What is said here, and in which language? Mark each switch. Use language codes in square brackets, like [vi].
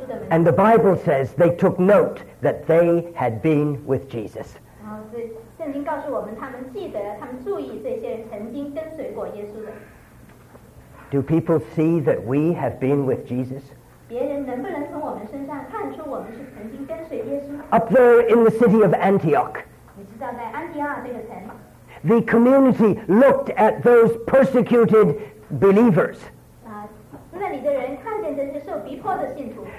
[en] And the Bible says they took note that they had been with Jesus. [zh] 圣经告诉我们，他们记得，他们注意这些曾经跟随过耶稣的。 [en] Do people see that we have been with Jesus? [zh] 别人能不能从我们身上看出我们是曾经跟随耶稣？ [en] Up there in the city of Antioch. [zh] 你知道在安提阿这个城。 [en] The community looked at those persecuted believers. [zh] 那里的人看见这些受逼迫的信徒。